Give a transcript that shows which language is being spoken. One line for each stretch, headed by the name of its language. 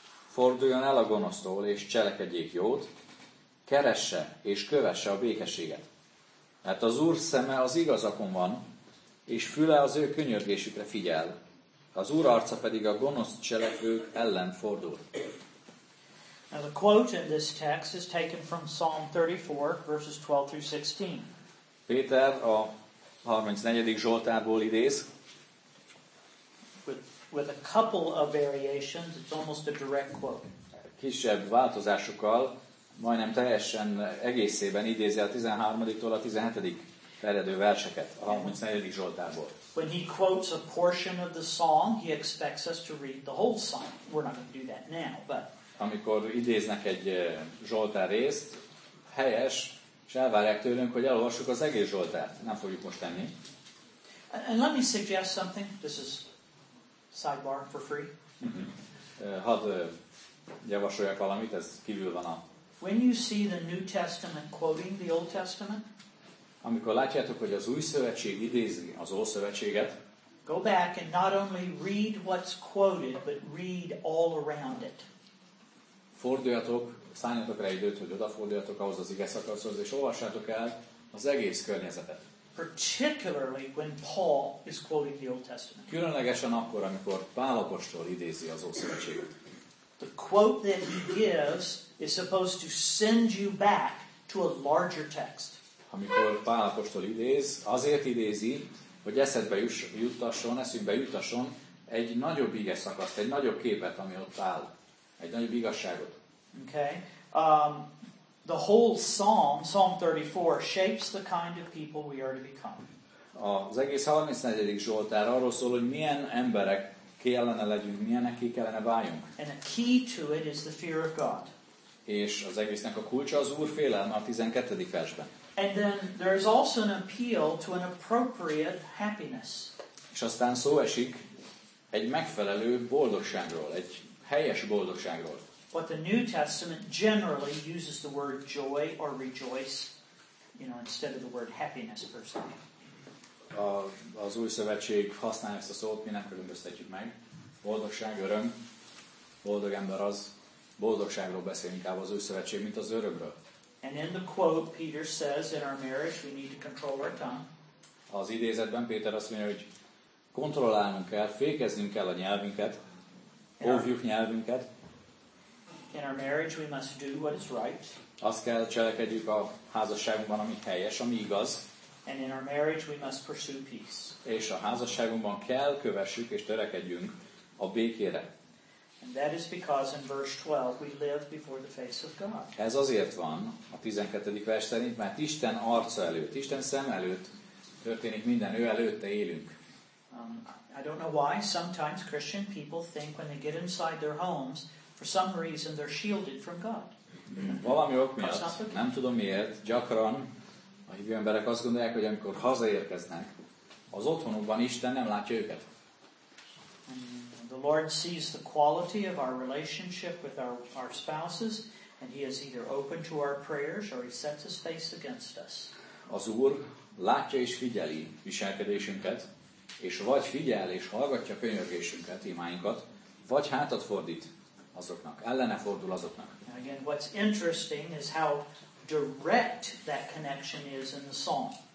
Hungarian: Forduljon el a gonosztól, és cselekedjék jót, keresse és kövesse a békességet. Mert az Úr szeme az igazakon van, és füle az ő könyörgésükre figyel. Az Úr arca pedig a gonosz cselekvők ellen fordul.
English: Now the quote in this text is taken from Psalm 34, verses 12 through 16.
Hungarian: Péter a 34. Zsoltárból idéz.
English: With a couple of variations, it's almost a direct quote.
Hungarian: Kisebb változásokkal, majdnem teljesen egészében idézi a 13-tól a 17. eredő verseket a 34. Zsoltárból.
English: When he quotes a portion of the song, he expects us to read the whole song. We're not going to do that now, but
Hungarian: amikor idéznek egy Zsoltár részt, helyes, és elvárják tőlünk, hogy elolvassuk az egész Zsoltárt. Nem fogjuk most tenni.
English: And let me suggest something. This is sidebar for free.
Hungarian: Hadd javasoljak valamit, ez kívül van a...
English: When you see the New Testament quoting the Old Testament,
Hungarian: amikor látjátok, hogy az Új Szövetség idézi az Ószövetséget,
English: go back and not only read what's quoted, but read all around it.
Hungarian: Forduljatok, szálljatok rá időt, hogy odaforduljatok ahhoz az ige szakaszhoz, és olvassátok el az egész környezetet.
English: Particularly when Paul is quoting the Old Testament.
Hungarian: Különlegesen akkor, amikor Pál apostol idézi az Ószövetséget.
English: The quote that he gives is supposed to send you back to a larger text.
Hungarian: Amikor Pál apostol idéz, azért idézi, hogy eszedbe juttasson, eszünkbe juttasson egy nagyobb ige szakaszt, egy nagyobb képet, ami ott áll. Egy nagyobb igazságot.
English: Okay. The whole psalm, Psalm 34, shapes the kind of people we are to become.
Hungarian: Az egész 34. Zsoltár arról szól, hogy milyen emberek kellene legyünk, milyenek ki kellene váljunk.
English: And a key to it is the fear of God.
Hungarian: És az egésznek a kulcsa az Úr félelme a 12. versben.
English: And then there is also an appeal to an appropriate happiness.
Hungarian: És aztán szó esik egy megfelelő boldogságról, egy helyes boldogságról.
English: But the New Testament generally uses the word joy or rejoice, you know, instead of the word happiness per se.
Hungarian: Az Új Szövetség használja ezt a szót, mi nem különböztetjük meg. Boldogság, öröm, boldog ember az, boldogságról beszél inkább az Új Szövetség, mint az örömről.
English: And in the quote, Peter says, in our marriage, we need to control our tongue.
Hungarian: Az idézetben Péter azt mondja, hogy kontrollálnunk kell, fékeznünk kell a nyelvünket, óvjuk nyelvünket.
English: In our marriage we must do what is right.
Hungarian: Azt kell cselekedjük a házasságunkban, ami helyes, ami igaz.
English: And in our marriage we must pursue peace.
Hungarian: És a házasságunkban kell kövessük és törekedjünk a békére.
English: And that is because in verse 12 we live before the face of God.
Hungarian: Ez azért van a 12. vers szerint, mert Isten arca előtt, Isten szem előtt történik minden, ő előtte élünk.
English: I don't know why sometimes Christian people think when they get inside their homes, for some reason they're shielded from God.
Hungarian: Valami ok miatt, nem tudom miért, gyakran a hívő emberek azt gondolják, hogy amikor hazaérkeznek, az otthonukban Isten nem látja őket.
English: And the Lord sees the quality of our relationship with our spouses, and He is either open to our prayers or He sets His face against us.
Hungarian: Az Úr látja és figyeli viselkedésünket, és vagy figyel és hallgatja könyörgésünket, imáinkat, vagy hátat fordít azoknak, ellene fordul azoknak.
English: Again, what's interesting is how direct that connection is in the psalm.